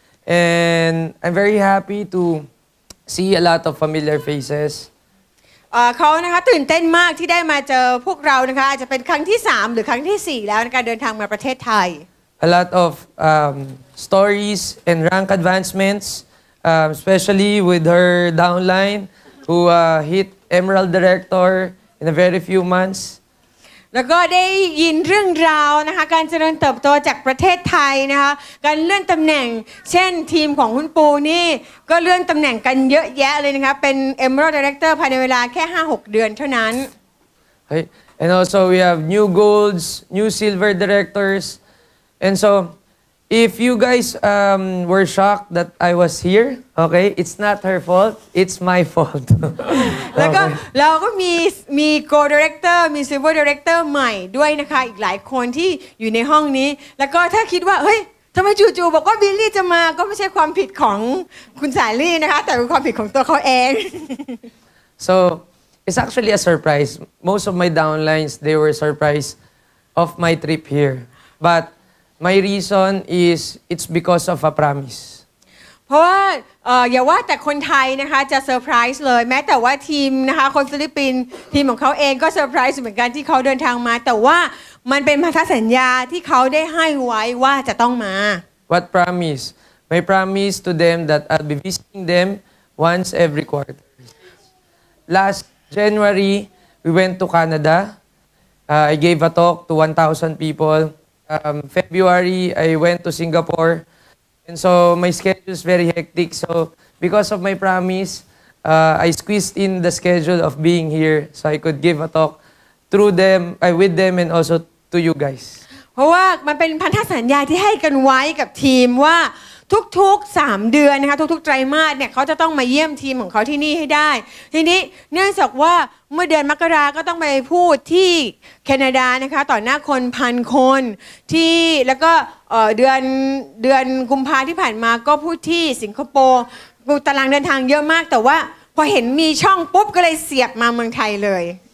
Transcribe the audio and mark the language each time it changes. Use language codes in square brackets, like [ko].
[en] And I'm very happy to see a lot of familiar faces. [th] เขานะคะตื่นเต้นมากที่ได้มาเจอพวกเรานะคะอาจจะเป็นครั้งที่3หรือครั้งที่4แล้วในการเดินทางมาประเทศไทย [en] A lot of stories and rank advancements especially with her downline who hit emerald director in a very few months [th] แล้วก็ได้ยินเรื่องราวนะคะการเจริญเติบโตจากประเทศไทยนะคะการเลื่อนตำแหน่งเช่นทีมของคุณปูนี่ก็เลื่อนตำแหน่งกันเยอะแยะเลยนะคะเป็น Emerald Director ภายในเวลาแค่ 5-6 เดือนเท่านั้น [en] And also we have new golds, new silver directors and so if you guys were shocked that I was here okay it's not her fault it's my fault [th] แล้วก็เราก็มีโกลด์ไดเรคเตอร์มีซิลเวอร์ไดเรคเตอร์ใหม่ด้วยนะคะอีกหลายคนที่อยู่ในห้องนี้แล้วก็ถ้าคิดว่าเฮ้ยทำไมจู่ๆบอกว่าบิลลี่จะมาก็ไม่ใช่ความผิดของคุณสาลี่นะคะแต่เป็นความผิดของตัวเขาเอง [en] so it's actually a surprise most of my downlines they were surprised of my trip here butMy reason is it's because of a promise. [th] เพราะว่าอย่าว่าแต่คนไทยนะคะจะเซอร์ไพรส์เลยแม้แต่ว่าทีมนะคะคนฟิลิปปินส์ทีมของเขาเองก็เซอร์ไพรส์เหมือนกันที่เขาเดินทางมาแต่ว่ามันเป็นพันธสัญญาที่เขาได้ให้ไว้ว่าจะต้องมา [en] What promise? My promise to them that I'll be visiting them once every quarter. Last January, we went to Canada. I gave a talk to 1,000 people. February, I went to Singapore, and so my schedule is very hectic. So because of my promise, I squeezed in the schedule of being here so I could give a talk through them, with them, and also to you guys. [th] เพราะว่ามันเป็นพันธสัญญาที่ให้กันไว้กับทีมว่าทุกๆ3เดือนนะคะทุกๆไตรมาสเนี่ยเขาจะต้องมาเยี่ยมทีมของเขาที่นี่ให้ได้ทีนี้เนื่องจากว่าเมื่อเดือนมกราก็ต้องไปพูดที่แคนาดานะคะต่อหน้าคน1,000คนที่แล้วก็เดือนกุมภาพันธ์ที่ผ่านมาก็พูดที่สิงคโปร์ตารางเดินทางเยอะมากแต่ว่าพอเห็นมีช่องปุ๊บก็เลยเสียบมาเมืองไทยเลย